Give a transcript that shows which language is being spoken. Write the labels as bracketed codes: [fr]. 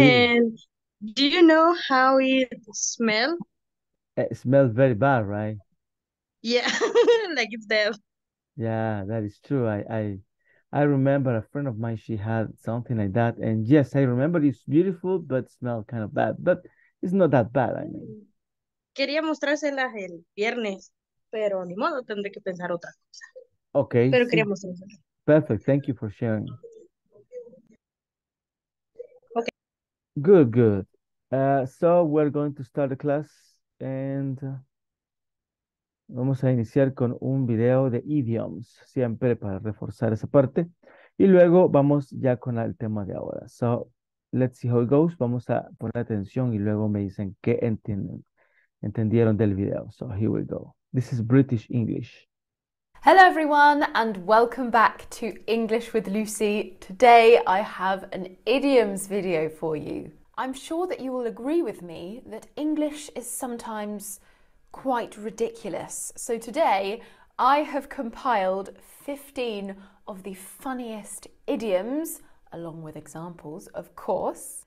[en] And do you know how it smells? It smells very bad, right? Yeah, like it's dead. Yeah, that is true. I remember a friend of mine, she had something like that. And yes, I remember it's beautiful, but smell kind of bad. But it's not that bad, I mean. [es] Quería mostrárselas el viernes, pero ni modo, tendré que pensar otra cosa. [en] Okay, [es] Pero quería sí. mostrárselas. [en] Perfect. Thank you for sharing. Good, good. So we're going to start the class and [es] vamos a iniciar con un video de idioms, siempre para reforzar esa parte. Y luego vamos ya con el tema de ahora. [en] So let's see how it goes. [es] Vamos a poner atención y luego me dicen qué entienden, entendieron del video. [en] So here we go. This is British English. Hello everyone and welcome back to English with Lucy. Today I have an idioms video for you. I'm sure that you will agree with me that English is sometimes quite ridiculous. So today, I have compiled 15 of the funniest idioms, along with examples, of course.